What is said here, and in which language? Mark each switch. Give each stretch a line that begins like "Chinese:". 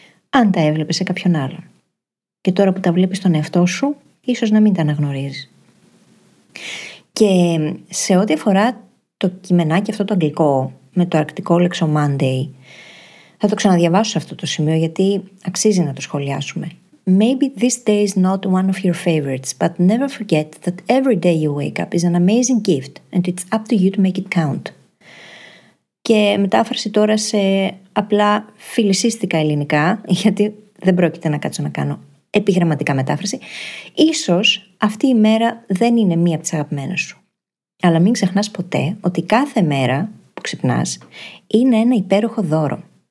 Greek: Αν τα έβλεπε σε κάποιον άλλον. Και τώρα που τα βλέπεις τον εαυτό σου, ίσως να μην τα αναγνωρίζεις. Και σε ό,τι αφορά το κειμενάκι αυτό το αγγλικό, με το αρκτικό λέξο Monday, θα το ξαναδιαβάσω σε αυτό το σημείο γιατί αξίζει να το σχολιάσουμε.
English: Maybe this day is not one of your favorites, but never forget that every day you wake up is an amazing gift and it's up to you to make it count.
Greek: Και μετάφραση τώρα σε απλά φιλισίστικα ελληνικά, γιατί δεν πρόκειται να κάτσω να κάνω επιγραμματικά μετάφραση. Ίσως αυτή η μέρα δεν είναι μία από τις αγαπημένες σου. Αλλά μην ξεχνάς ποτέ ότι κάθε μέρα που ξυπνάς είναι ένα υπέροχο δώρο.